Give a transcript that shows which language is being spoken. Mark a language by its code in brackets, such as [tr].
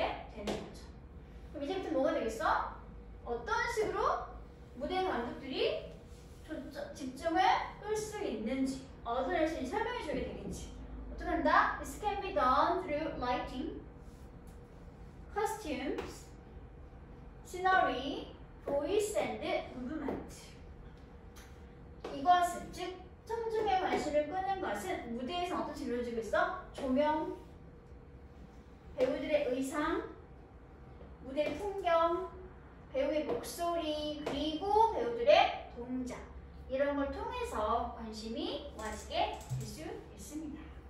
[ko] 되겠어? 어떤 식으로 무대 감독들이 집중을 끌 수 있는지 어떤 식으로 설명해 주게 되겠지. 어떻게 한다? [en] This can be done through lighting, costumes, scenery, voice and movement. [ko] 이것은 즉 청중의 관심을 끄는 것은 무대에서 어떤 식으로 이루어지고 있어? 조명, 배우들의 의상, 무대 풍경, 배우의 목소리, 그리고 배우들의 동작, 이런 걸 통해서 관심이 모아지게 될 수 있습니다.